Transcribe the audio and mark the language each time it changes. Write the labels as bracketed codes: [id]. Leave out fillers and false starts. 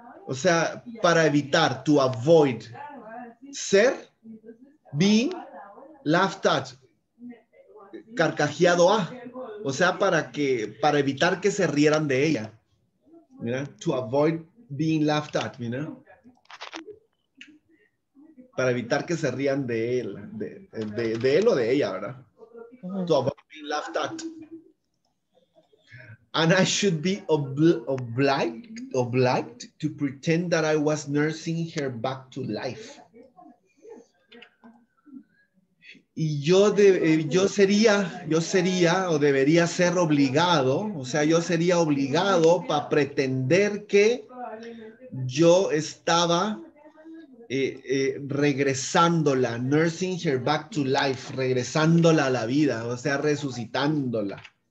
[es] O sea, para evitar, [en] to avoid, [es] ser, [en] being, laughed at, [es] carcajeado a, o sea, para evitar que se rieran de ella, mira, [en] to avoid being laughed at, [es] mira, para evitar que se rían de él, de él o de ella, ¿verdad? [en] To avoid being laughed at. And I should be obliged to pretend that I was nursing her back to life. [es] Y yo sería o debería ser obligado, o sea, yo sería obligado para pretender que yo estaba regresándola, [en] nursing her back to life, [es] regresándola a la vida, o sea, resucitándola.